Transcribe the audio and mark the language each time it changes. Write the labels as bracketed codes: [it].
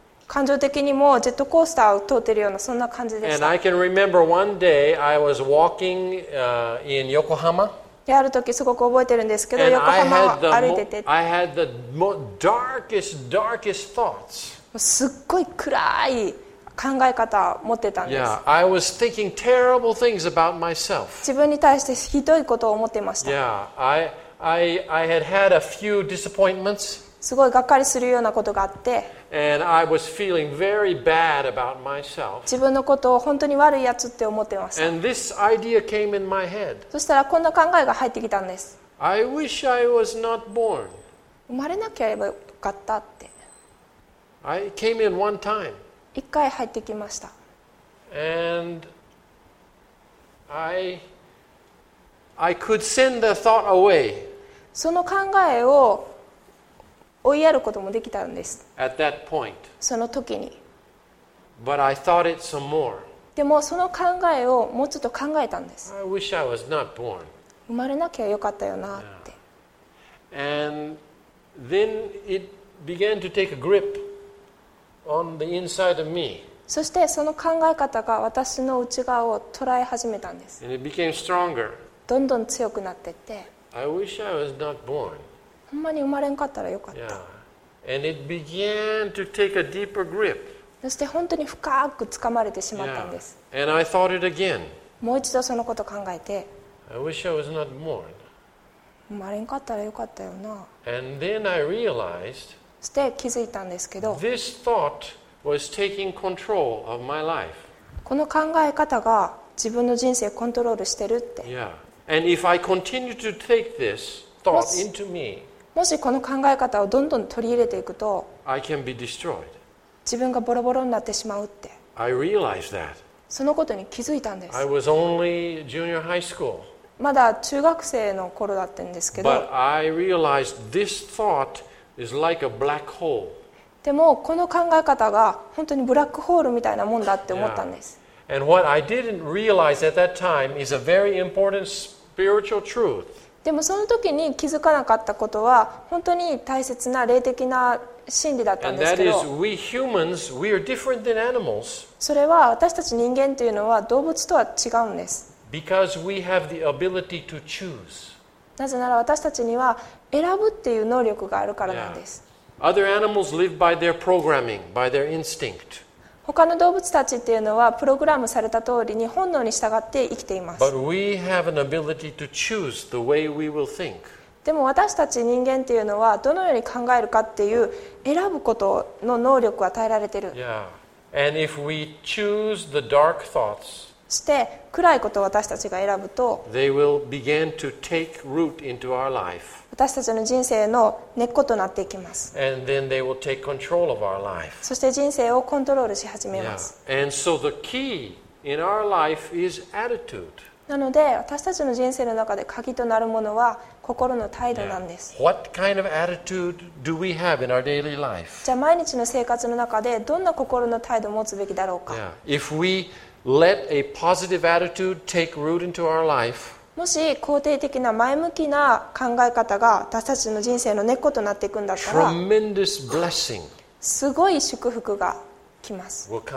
[ja] 感情的にもジェットコースターを通ってるようなそんな感じでした。 [en] And I can remember one day I was walking, in Yokohama. [ja] ある時すごく覚えてるんですけど、横浜を歩いてて。 [en] And I had the darkest thoughts. [ja] すっごい暗い考え方を持ってたんです。 [en] Yeah, I was thinking terrible things about myself. [ja] 自分に対してひどいことを思ってました。 [en] Yeah, I had had a few disappointments. [ja] すごいがっかりするようなことがあって、 [en] And I was feeling very bad about myself. [ja] 自分のことを本当に悪いやつって思ってました。 [en] And this idea came in my head. [ja] そしたらこんな考えが入ってきたんです。 [en] I wish I was not born. [ja] 生まれなければよかったって。 [en] I came in one time. [ja] 一回入ってきました。 [en] And I could send the thought away. [ja] その考えを追いやることもできたんです。 [en] At that point. [ja] その時に。 [en] But I thought it some more. [ja] でもその考えをもうちょっと考えたんです。 [en] I wish I was not born. [ja] 生まれなきゃよかったよなって。 [en] Yeah. And then it began to take a grip on the inside of me. [ja] そしてその考え方が私の内側を捉え始めたんです。 [en] And it became stronger. [ja] どんどん強くなってって。 [en] I wish I was not born. [ja] ほんまに生まれんかったらよかった。 [en] Yeah. And it began to take a deeper grip. [ja] そして本当に深く掴まれてしまったんです。 [en] Yeah. And I thought it again. [ja] もう一度そのこと考えて。 [en] I wish I was not born. [ja] 生まれんかったらよかったよな。 [en] And then I realized. [ja] そして気づいたんですけど。 [en] This thought was taking control of my life. [ja] この考え方が自分の人生をコントロールしてるって。 [en] Yeah. And if I continue to take this. Into me, [ja] もしこの考え方をどんどん取り入れていくと [en] I can be destroyed. [ja] 自分がボロボロになってしまうって [en] I realized that. [ja] そのことに気づいたんです [en] I was only junior high school. [ja] まだ中学生の頃だったんですけど [en] But I realized this thought is like a black hole. [ja] でもこの考え方が本当にブラックホールみたいなもんだって思ったんです [en] yeah. And what I didn't realize at that time is a very important spiritual truth [ja] でもその時に気づかなかったことは本当に大切な霊的な真理だったんですけど [en] And that is, we humans, we are different than animals. [ja] それは私たち人間というのは動物とは違うんです [en] Because we have the ability to choose. [ja] なぜなら私たちには選ぶっていう能力があるからなんです、 [en] yeah. Other animals live by their programming, by their instinct. [ja] 他の動物たちっていうのはプログラムされた通りに本能に従って生きていますでも私たち人間っていうのはどのように考えるかっていう選ぶことの能力を与えられてる、 [en] yeah. And if we choose the dark thoughts, [ja] して暗いことを私たちが選ぶと [en] they will begin to take root into our life. [ja] 私たちの人生の根っことなっていきます [en] And then they will take control of our life. [ja] そして人生をコントロールし始めます [en] yeah. And so the key in our life is attitude. [ja] なので私たちの人生の中で鍵となるものは心の態度なんです。 [en] Yeah. What kind of attitude do we have in our daily life? [ja] じゃあ毎日の生活の中でどんな心の態度を持つべきだろうか。 [en] Yeah. If we let a positive attitude take root into our life, [ja] もし肯定的な前向きな考え方が私たちの人生の根っことなっていくんだったら、すごい祝福が来ます。